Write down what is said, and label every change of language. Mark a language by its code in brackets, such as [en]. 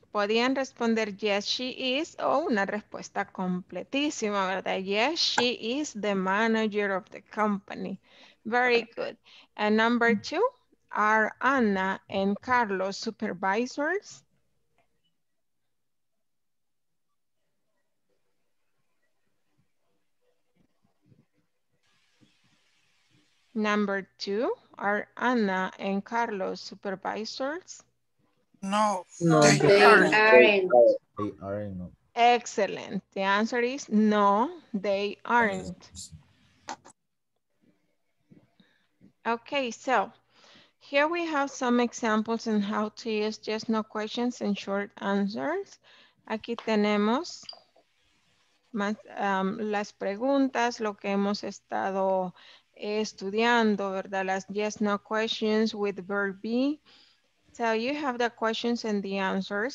[es] Podían responder yes, she is, o una respuesta completísima, ¿verdad? [en] Yes, she is the manager of the company. Very good. And number two, are Ana and Carlos supervisors? Number two, are Ana and Carlos supervisors? No, no, they aren't. Excellent. The answer is no, they aren't. Okay, so here we have some examples on how to use yes, no questions and short answers. [es] Aquí tenemos más, las preguntas, lo que hemos estado estudiando, ¿verdad? [en] Las yes, no questions with verb be. So you have the questions and the answers.